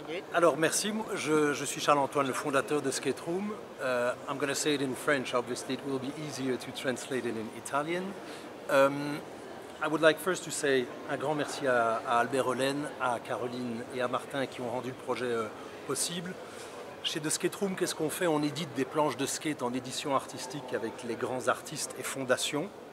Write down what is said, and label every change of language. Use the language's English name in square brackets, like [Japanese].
[French] Alors merci, je suis Charles-Antoine, le fondateur de Skate Room. [English] I'm going to say it in French, obviously it will be easier to translate it in Italian. I would like first to say [French] un grand merci à Albert Hollen, à Caroline et à Martin qui ont rendu le projet possible. Chez The Skate Room, qu'est-ce qu'on fait? On édite des planches de skate en édition artistique avec les grands artistes et fondations.